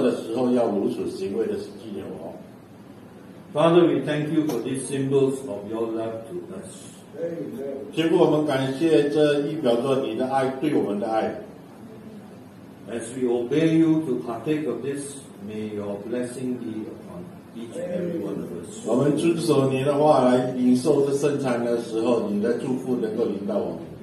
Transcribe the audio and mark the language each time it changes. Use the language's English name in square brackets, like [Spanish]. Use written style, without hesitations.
[Chinese] 饭后也照样拿起杯来说：“这杯是用我的血所立的新约，你们每逢吃喝的时候要如此行为的纪念我。” [English] Father, we thank you for these symbols of your love to us. [Chinese] 结果我们感谢这一表着你的爱对我们的爱。 [English] As we obey you to partake of this, may your blessing be upon each and every one of us. [Chinese] 我们遵守你的话来领受这圣餐的时候，你的祝福能够临到我们。